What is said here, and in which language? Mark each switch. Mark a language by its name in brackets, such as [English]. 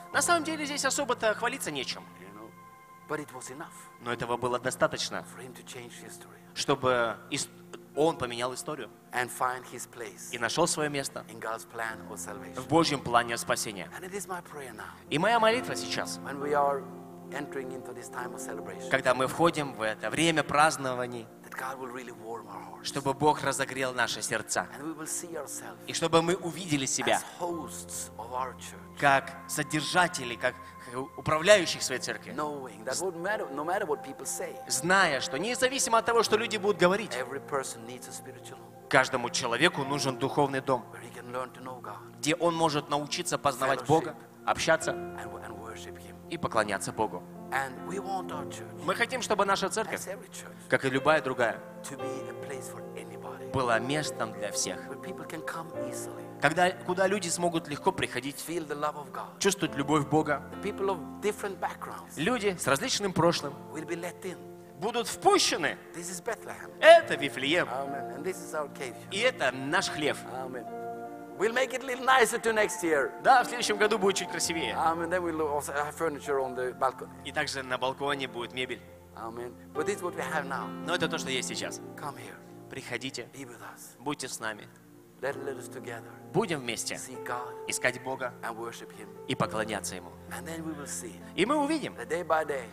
[Russian] На самом деле здесь особо-то хвалиться нечем. [English] You know, but it was enough. [Russian] Но этого было достаточно, [English] for him to change history. [Russian] Чтобы он поменял историю. [English] And find his place. [Russian] И нашел свое место [English] in God's plan of salvation. [Russian] В Божьем плане спасения. [English] And it is my prayer now. [Russian] И моя молитва сейчас. [English] When we are entering into this time of celebration. [Russian] Когда мы входим в это время празднований, [English] that God will really warm our hearts. [Russian] Чтобы Бог разогрел наши сердца. [English] And we will see ourselves. [Russian] И чтобы мы увидели себя [English] as hosts of our church. [Russian] Как содержатели, как управляющих своей церкви. [English] Knowing that what matter, no matter what people say. [Russian] Зная, что независимо от того, что люди будут говорить, [English] every person needs a spiritual home. [Russian] Каждому человеку нужен духовный дом, [English] where he can learn to know God. [Russian] Где он может научиться познавать Бога, общаться. [English] And worship him. [Russian] И поклоняться Богу. [English] And we want our church, [Russian] мы хотим, чтобы наша церковь, [English] as every church, [Russian] как и любая другая, [English] to be a place for anybody, [Russian] была местом для всех. [English] Where people can come easily, [Russian] когда, куда люди смогут легко приходить, [English] feel the love of God, [Russian] чувствовать любовь Бога. [English] The people of different backgrounds, [Russian] люди с различным прошлым [English] will be let in, [Russian] будут впущены. [English] This is Bethlehem. [Russian] Это Вифлеем. [English] Amen. And this is our cave, [Russian] и это наш хлев. [English] Amen. We'll make it a little nicer to next year. [Russian] Да, в следующем году будет чуть красивее. [English] Amen. Then we'll also have furniture on the balcony. [Russian] И также на балконе будет мебель. [English] Amen. But this is what we have now. [Russian] Но это то, что есть сейчас. [English] Come here. [Russian] Приходите. [English] Be with us. [Russian] Будьте с нами. [English] Let us together. [Russian] Будем вместе. [English] See God. [Russian] Искать Бога. [English] And worship Him. [Russian] И поклоняться Ему. [English] And then we will see. [Russian] И мы увидим. [English] That day by day.